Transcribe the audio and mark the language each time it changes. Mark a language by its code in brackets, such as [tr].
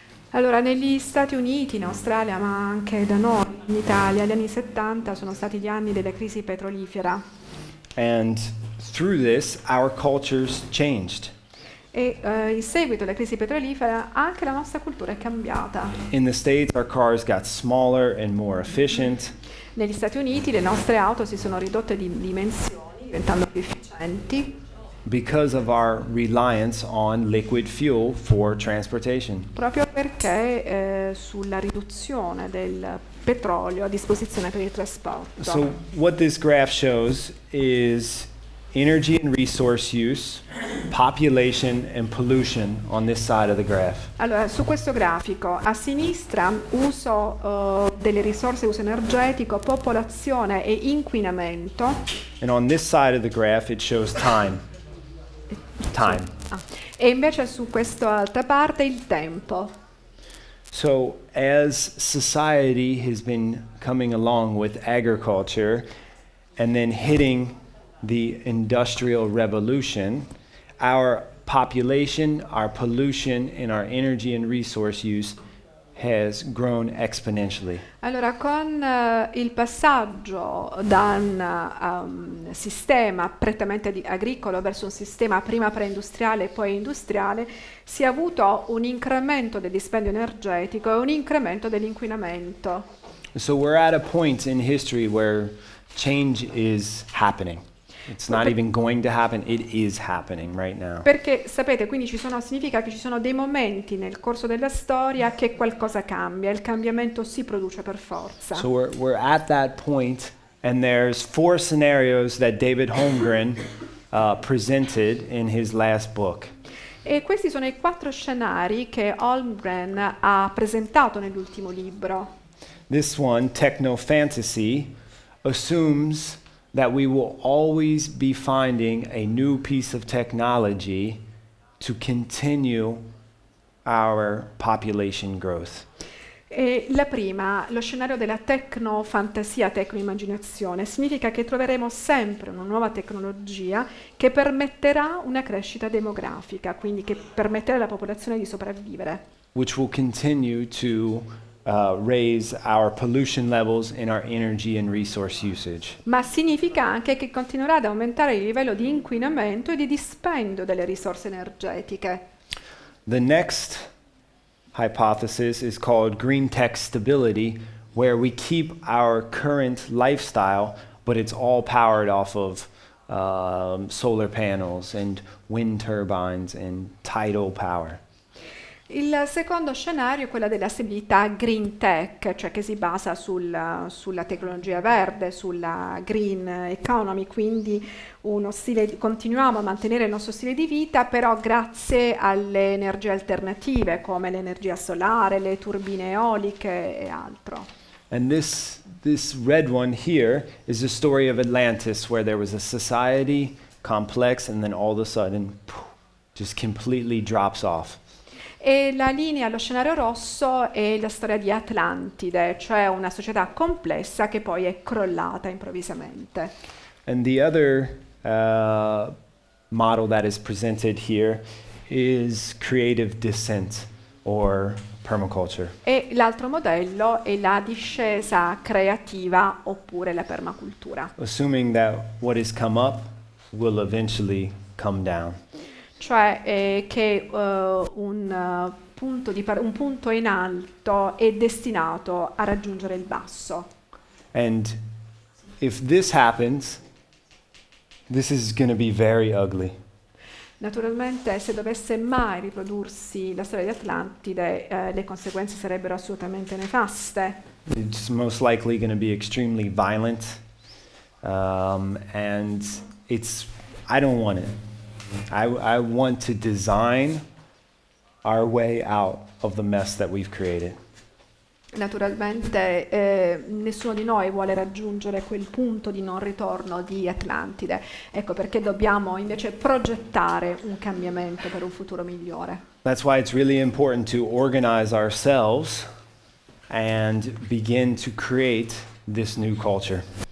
[it] Allora, negli Stati Uniti, in Australia, ma anche da noi, in Italia, gli anni 70 sono stati gli anni della crisi petrolifera. [en] And through this, our cultures changed. [it] E in seguito alla crisi petrolifera, anche la nostra cultura è cambiata. [en] In the States, our cars got smaller and more efficient. [it] Negli Stati Uniti, le nostre auto si sono ridotte di dimensioni, diventando più efficienti. [en] Because of our reliance on liquid fuel for transportation. [it] Proprio perché sulla riduzione del petrolio a disposizione per il trasporto. [en] So what this graph shows is energy and resource use, population and pollution on this side of the graph. [it] Allora, su questo grafico, a sinistra, uso delle risorse, uso energetico, popolazione e inquinamento. [en] And on this side of the graph it shows time. Time. Ah. [it] E invece su questa altra parte il tempo. [en] So as society has been coming along with agriculture and then hitting the industrial revolution, our population, our pollution, and our energy and resource use has grown exponentially. [it] Allora, con il passaggio da un sistema prettamente agricolo verso un sistema prima preindustriale e poi industriale, si è avuto un incremento del dispendio energetico e un incremento dell'inquinamento. [en] So we're at a point in history where change is happening. It's not even going to happen, it is happening right now. [it] Perché sapete, quindi ci sono, significa che ci sono dei momenti nel corso della storia che qualcosa cambia, il cambiamento si produce per forza. [en] So we're at that point and there's four scenarios that David Holmgren presented in his last book. [it] E questi sono i quattro scenari che Holmgren ha presentato nell'ultimo libro. [en] This one, techno fantasy, assumes that we will always be finding a new piece of technology to continue our population growth. [it] E la prima, lo scenario della tecnofantasia, tecnoimmaginazione, significa che troveremo sempre una nuova tecnologia che permetterà una crescita demografica, quindi che permetterà alla popolazione di sopravvivere. [en] Which will continue to raise our pollution levels in our energy and resource usage. [it] Ma significa anche che continuerà ad aumentare il livello di inquinamento e di dispendio delle risorse energetiche. [en] The next hypothesis is called green tech stability, where we keep our current lifestyle, but it's all powered off of solar panels and wind turbines and tidal power. [it] Il secondo scenario è quello della stabilità green tech, cioè che si basa sulla tecnologia verde, sulla green economy, quindi uno stile di, continuiamo a mantenere il nostro stile di vita, però grazie alle energie alternative come l'energia solare, le turbine eoliche e altro. [en] And this red one here is the story of Atlantis, where there was a society complex, and then all of a sudden, just completely drops off. [it] E la linea, lo scenario rosso, è la storia di Atlantide, cioè una società complessa che poi è crollata improvvisamente. [en] And the other model that is presented here is creative descent or permaculture. [it] E l'altro modello è la discesa creativa oppure la permacultura. [en] Assuming that what has come up will eventually come down. [it] Cioè che un punto in alto è destinato a raggiungere il basso. [en] And if this happens, this is going to be very ugly. [it] Naturalmente, se dovesse mai riprodursi la storia di Atlantide, le conseguenze sarebbero assolutamente nefaste. [en] It's most likely going to be extremely violent, and it's, I don't want it. I want to design our way out of the mess that we've created. [it] Naturalmente, nessuno di noi vuole raggiungere quel punto di non ritorno di Atlantide. Ecco perché dobbiamo invece progettare un cambiamento per un futuro migliore. [en] That's why it's really important to organize ourselves and begin to create this new culture.